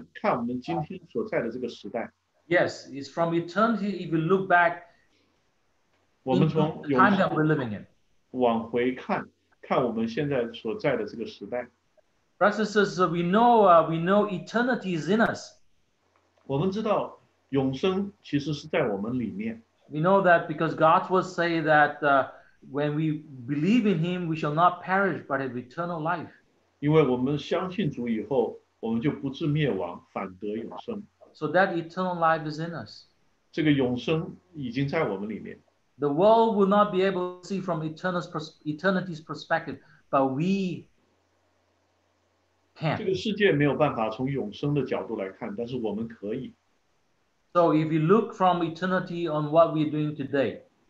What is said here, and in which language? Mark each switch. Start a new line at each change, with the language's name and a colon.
Chinese: 我在最后要讲的就是，如果我们到了永世往回头看，看我们今天所在的这个时代。
English: Yes, it's from eternity if you look back into the time that we're living in.
Chinese: 往回看，看我们现在所在的这个时代。
English: Brothers and sisters, we know eternity is in us.
Chinese: 我们知道永生其实是在我们里面。
English: We know that because God will say that when we believe in him, we shall not perish but have eternal life.
Chinese: 因为我们相信主以后，我们就不至灭亡，反得永生。
English: So that eternal life is in us.
Chinese: 这个永生已经在我们里面。
English: The world will not be able to see from eternity's perspective, but we can.
Chinese: 这个世界没有办法从永生的角度来看, 但是我们可以。
English: So if you look from eternity on what we're doing today,